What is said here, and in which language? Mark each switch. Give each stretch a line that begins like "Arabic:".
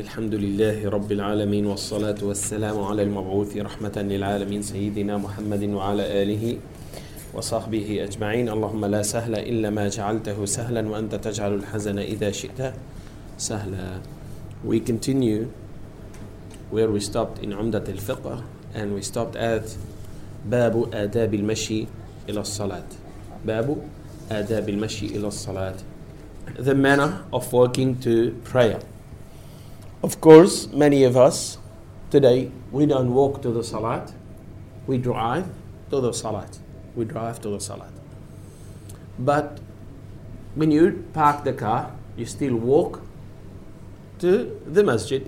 Arabic: الحمد لله رب العالمين، والصلاة والسلام على المبعوث رحمة للعالمين سيدنا محمد وعلى آله وصحبه أجمعين. اللهم لا سهل إلا ما جعلته سهلا، وأنت تجعل الحزن إذا شئت سهلا.
English: We continue where we stopped in عمدة الفقه, and we stopped at
Arabic: باب آداب المشي إلى الصلاة. باب آداب المشي إلى الصلاة.
English: The manner of walking to prayer. Of course, many of us today, we don't walk to the salat. We drive to the salat. We drive to the salat. But when you park the car, you still walk to the masjid.